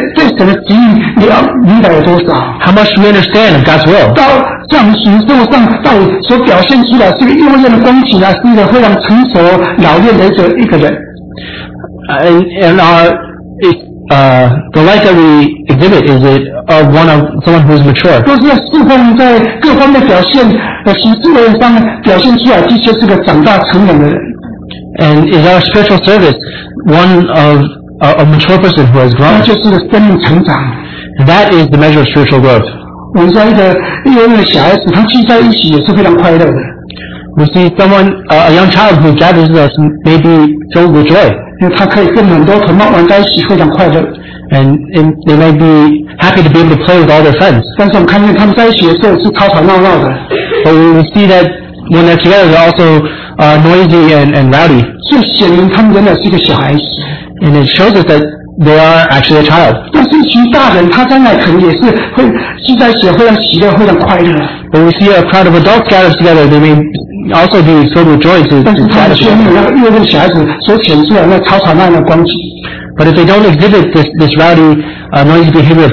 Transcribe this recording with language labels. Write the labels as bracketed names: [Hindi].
[Chinese] 对神的旨意你要明白有多少。 [English] How much we understand of God's will. [Chinese] 到在我们属灵生活上到底所表现出来是一个幼年的光景啊，是一个非常成熟老练的一个人。 [English] The light that we exhibit is it of one of someone who is mature. [Chinese] 都是要释放在各方面表现的行事为人上表现出来，的确是个长大成人的人。 [English] And is our spiritual service one of a mature person who has grown? [Chinese] 那就是个生命成长。 [English] That is the measure of spiritual growth. [Chinese] 我们说一个幼儿园的小孩子，他聚在一起也是非常快乐的。 [English] We see someone, a young child who gathers us may be filled with joy. [Chinese] 因为他可以跟很多同伴玩在一起，非常快乐。 [English] And they may be happy to be able to play with all their friends. [Chinese] 但是我们看见他们在一起的时候是吵吵闹闹的。 [English] But we see that when they're together, they're also noisy and rowdy. [Chinese] 所以显然他们仍然是一个小孩子。 [English] And it shows us that they are actually a child. [Chinese] 但是一群大人，他将来可能也是会聚在一起，非常喜乐，非常快乐。 [English] But we see a crowd of adults gathered together, they may also be filled with joy to gather together. But if they don't exhibit this rowdy, noisy behavior of